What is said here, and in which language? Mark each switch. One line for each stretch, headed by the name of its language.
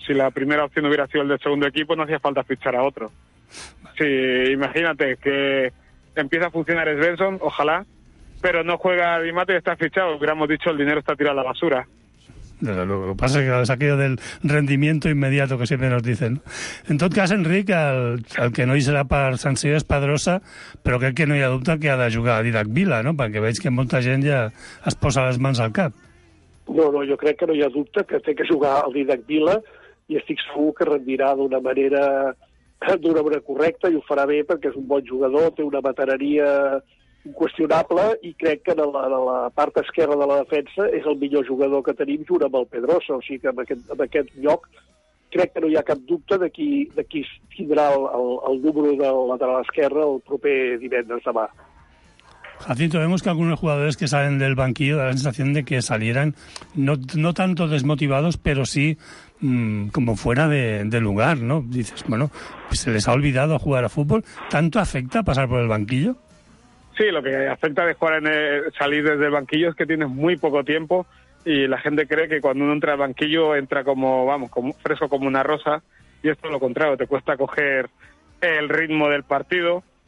Spanish: Si la primera opción hubiera sido el del segundo equipo, no hacía falta fichar a otro. Si, imagínate que empieza a funcionar Svensson, ojalá, pero no juega Di Mata y está fichado. Hubiéramos dicho, el dinero está tirado a la basura. Desde luego, lo que pasa es que es aquello del rendimiento inmediato que siempre nos dicen. En todo caso,
Catalan: Enric, al que no hi serà per sanció, és Pedrosa, però crec que no hi ha dubte que ha de jugar a Didac Vila, no? Perquè veig que molta gent ja es posa les mans al cap. No, jo crec que no hi ha dubte que té que jugar al Didac Vila i estic segur que rendirà d'una manera correcta i ho farà bé perquè és un bon jugador, té una veterania inqüestionable i crec que en la part esquerra de la defensa és el millor jugador que tenim junt amb el Pedrosa, o sigui que en aquest lloc crec que no hi ha cap dubte de qui tindrà el número de lateral esquerre el proper divendres demà.
Spanish: Jacinto, vemos que algunos jugadores que salen del banquillo da la sensación de que salieran no tanto desmotivados, pero sí como fuera de lugar, ¿no? Dices, bueno, pues se les ha olvidado jugar a fútbol. ¿Tanto afecta pasar por el banquillo? Sí, lo que afecta de jugar salir desde el banquillo es que tienes muy poco tiempo y la gente cree que cuando uno entra al banquillo entra como, vamos, como fresco como una rosa, y es todo lo contrario, te cuesta coger el ritmo del partido.